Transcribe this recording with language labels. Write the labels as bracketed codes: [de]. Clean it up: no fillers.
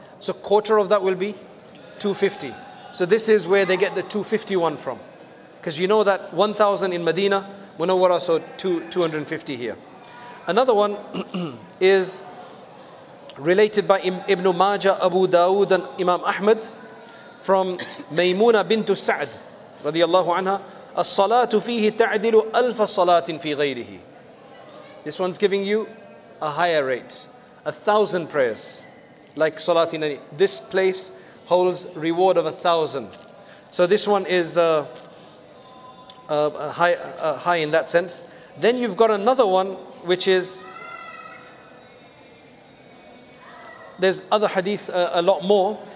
[en] So quarter of that will be 250. So this is where they get the 251 from, because you know that 1,000 in Medina Munawwara, so 250 here. Another one is related by Ibn Majah, Abu Dawud and Imam Ahmad from Maymuna bint Sa'd radiallahu anha. [ar] الصلاة فيه تعدل ألف صلاة في غيره. [en] This one's giving you a higher rate. 1,000 prayers. Like salat in any. This place holds reward of 1,000. So this one is high in that sense. Then you've got another one, which is, there's other hadith a lot more.